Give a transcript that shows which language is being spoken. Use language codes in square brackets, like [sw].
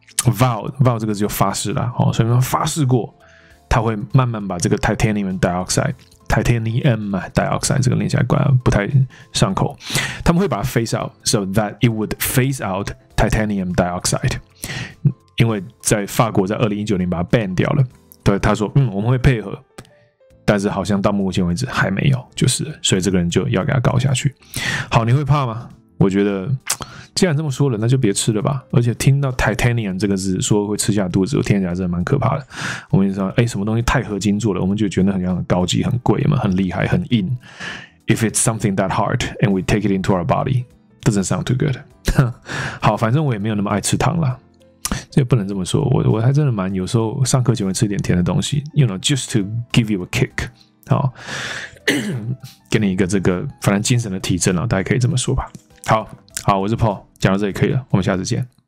[zh] Vow 这个就发誓了，所以他发誓过他会慢慢把这个 titanium dioxide 这个念起来怪不太上口，他们会把它 [en] phase out so that it would phase out titanium dioxide， [zh] 因为在法国在2019年把它 ban 掉了，对，他说我们会配合，但是好像到目前为止还没有，就是所以这个人就要给他告下去。好，你会怕吗？我觉得既然这么说了，那就别吃了吧。而且听到 titanium 这个字，说会吃下肚子，我听起来真的蛮可怕的。我们就说，什么东西钛合金做的，我们就觉得很像很高级、很贵嘛，很厉害、很硬。 [en] If it's something that hard and we take it into our body, doesn't sound too good. [zh] 好，反正我也没有那么爱吃糖啦，这也不能这么说。我还真的蛮有时候上课喜欢吃一点甜的东西 ， [en] you know, just to give you a kick. [zh] 好，给你一个这个，反正精神的提振了，大家可以这么说吧。好，我是 Paul， 讲到这里可以了，我们下次见。